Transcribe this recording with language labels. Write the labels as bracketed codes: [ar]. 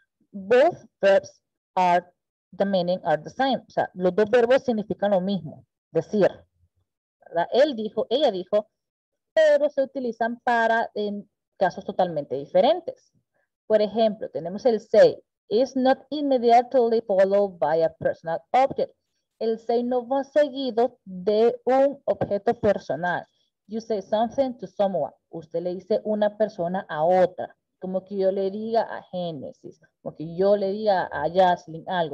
[en] Both verbs are the meaning are the same. [es] O sea, los dos verbos significan lo mismo. Decir. ¿Verdad? Él dijo, ella dijo, pero se utilizan para en casos totalmente diferentes. Por ejemplo, tenemos el say. [en] It's not immediately followed by a personal object. [es] El say no va seguido de un objeto personal. [en] You say something to someone. [es] Usted le dice una persona a otra. Como que yo le diga a Genesis. Como que yo le diga a Jocelyn algo.